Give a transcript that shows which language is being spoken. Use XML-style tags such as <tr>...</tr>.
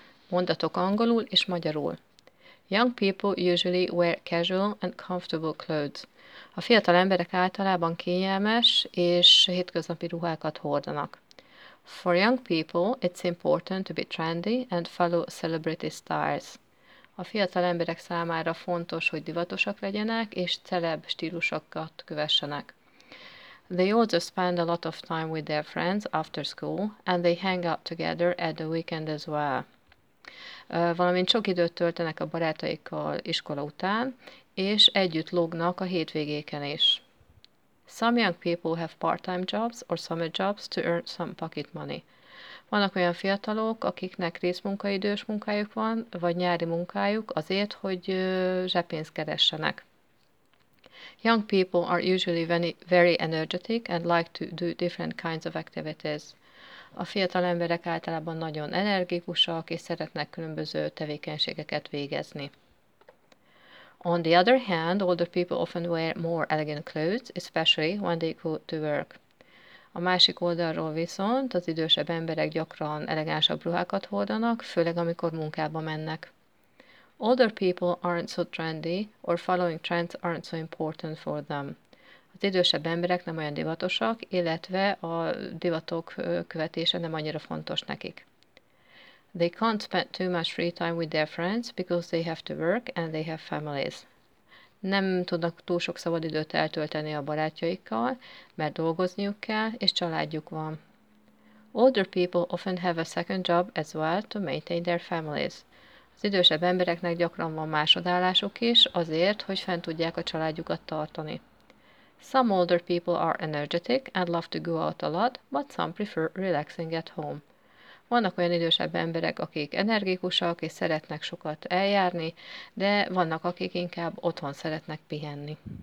<hu>Mondatok angolul és magyarul.</hu> <en>Young people usually wear casual and comfortable clothes.</en> <hu>A fiatal emberek általában kényelmes és hétköznapi ruhákat hordanak.</hu> <en>For young people, it's important to be trendy and follow celebrity styles.</en> <hu>A fiatal emberek számára fontos, hogy divatosak legyenek és celeb stílusokat kövessenek.</hu> <en>They also spend a lot of time with their friends after school, and they hang out together at the weekend as well.</en> <hu>Valamint sok időt töltenek a barátaikkal iskola után, és együtt lógnak a hétvégéken is.</hu> <en>Some young people have part-time jobs or summer jobs to earn some pocket money.</en> <hu>Vannak olyan fiatalok, akiknek részmunkaidős munkájuk van, vagy nyári munkájuk azért, hogy zsebpénzt keressenek.</hu> <en>Young people are usually very energetic and like to do different kinds of activities.</en> <hu>A fiatal emberek általában nagyon energikusak és szeretnek különböző tevékenységeket végezni.</hu> <en>On the other hand, older people often wear more elegant clothes, especially when they go to work.</en> <hu>A másik oldalról viszont az idősebb emberek gyakran elegánsabb ruhákat hordanak, főleg amikor munkába mennek.</hu> <en>Older people aren't so trendy, or following trends aren't so important for them.</en> <hu>Az idősebb emberek nem olyan divatosak, illetve a divatok követése nem annyira fontos nekik.</hu> <en>They can't spend too much free time with their friends because they have to work and they have families.</en> <hu>Nem tudnak túl sok szabadidőt eltölteni a barátjaikkal, mert dolgozniuk kell és családjuk van.</hu> <en>Older people often have a second job as well to maintain their families.</en> <hu>Az idősebb embereknek gyakran van másodállásuk is, azért, hogy fent tudják a családjukat tartani.</hu> <en>Some older people are energetic and love to go out a lot, but some prefer relaxing at home.</en> <hu>Vannak olyan idősebb emberek, akik energikusak és szeretnek sokat eljárni, de vannak, akik inkább otthon szeretnek pihenni.</hu>